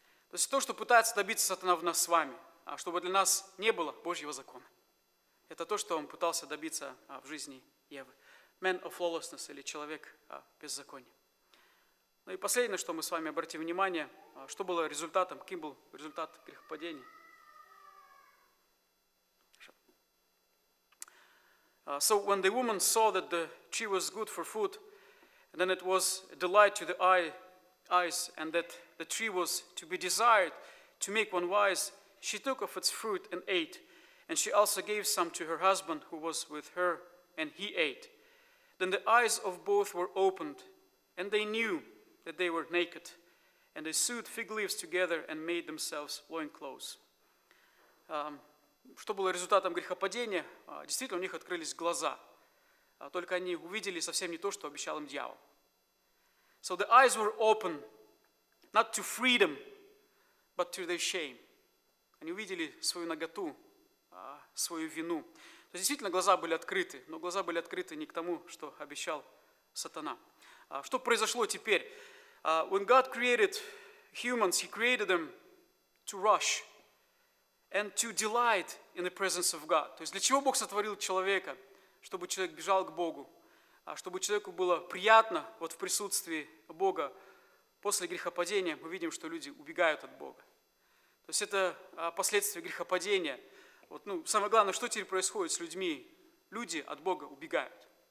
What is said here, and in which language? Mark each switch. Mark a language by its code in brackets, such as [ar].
[ru] То есть то, что пытается добиться сатана в нас с вами, чтобы для нас не было Божьего закона, это то, что он пытался добиться в жизни Евы. [en] Man of lawlessness, [ru] или человек беззакония. Ну и последнее, что мы с вами обратим внимание, что было результатом, каким был результат грехопадения. [en] So when the woman saw that the tree was good for food, and then it was a delight to the eyes, and that the tree was to be desired to make one wise, she took of its fruit and ate, and she also gave some to her husband who was with her, and he ate. Then the eyes of both were opened, and they knew that they were naked, and they sewed fig leaves together and made themselves loincloths. [ru] Что было результатом грехопадения? Действительно, у них открылись глаза. Только они увидели совсем не то, что обещал им дьявол. [en] So the eyes were open, not to freedom, but to their shame. [ru] Они увидели свою наготу, свою вину. То есть, действительно, глаза были открыты, но глаза были открыты не к тому, что обещал сатана. Что произошло теперь? [en] When God created humans, he created them to rush. And to delight in the presence of God. [ru] То есть для чего Бог сотворил человека? Чтобы человек бежал к Богу. Чтобы человеку было приятно вот в присутствии Бога. После грехопадения мы видим, что люди убегают от Бога. То есть это последствия грехопадения. Вот, ну, самое главное, что теперь происходит с людьми? Люди от Бога убегают.